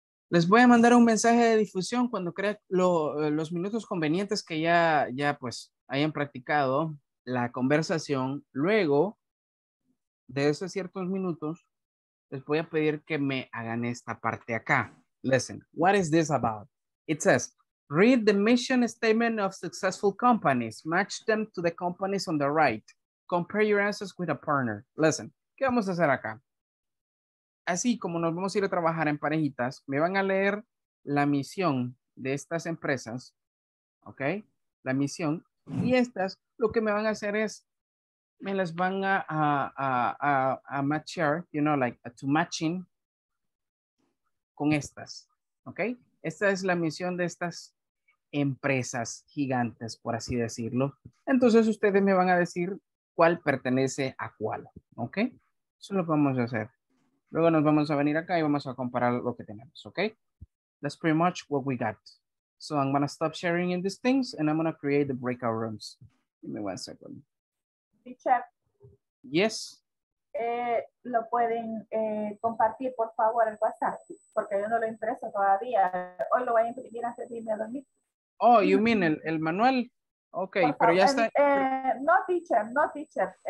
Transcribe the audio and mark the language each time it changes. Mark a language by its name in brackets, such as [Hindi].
[Spanish] Les voy a mandar un mensaje de difusión cuando crea los minutos convenientes que ya pues hayan practicado la conversación. Luego de esos ciertos minutos, les voy a pedir que me hagan esta parte acá. [English] Listen, what is this about? It says, read the mission statement of successful companies. Match them to the companies on the right. Compare your answers with a partner. Listen, [Spanish] ¿qué vamos a hacer acá? Así como nos vamos a ir a trabajar en parejitas, me van a leer la misión de estas empresas, ¿ok? La misión, Y estas lo que me van a hacer es, me las van a matchar, [English] you know, like to matching [Spanish] con estas, ¿ok? Esta es la misión de estas empresas gigantes, por así decirlo. Entonces ustedes me van a decir cuál pertenece a cuál, ¿ok? Eso lo vamos a hacer. Luego nos vamos a venir acá y vamos a comparar lo que tenemos, ¿ok? [English] That's pretty much what we got. So I'm going to stop sharing in these things and I'm going to create the breakout rooms. Give me one second. Teacher. Yes. [Spanish] Lo pueden compartir, por favor, el WhatsApp, porque yo no lo he impreso todavía. Hoy lo voy a imprimir antes de irme a dormir. [English] Oh, you mean [Spanish] el manual? Okay, por pero favor, ya está. No, teacher, no, teacher.